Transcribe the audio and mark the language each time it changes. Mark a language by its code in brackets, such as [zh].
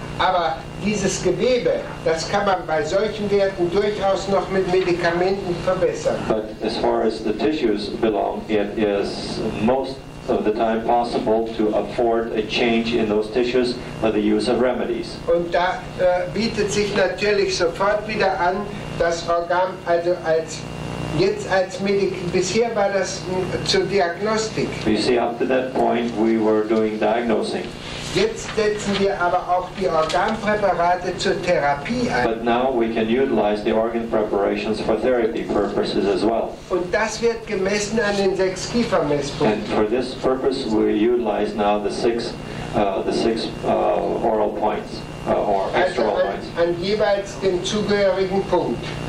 [de] Aber dieses Gewebe, das kann man bei solchen Werten durchaus noch mit Medikamenten verbessern. [en] But as far as the tissues belong, it is most of the time possible to afford a change in those tissues by the use of remedies. [de] Und da bietet sich natürlich sofort wieder an, das Organ, also als jetzt als Medik, bisher war das zur Diagnostik. [en] You see, up to that point we were doing diagnosing. [de] Jetzt setzen wir aber auch die Organpräparate zur Therapie ein. [en] But now we can utilize the organ preparations for therapy purposes as well. [de] Und das wird gemessen an den 6 Kiefermesspunkten. [en] And for this purpose we utilize now the six oral points. [de] An jeweils dem zugehörigen Punkt.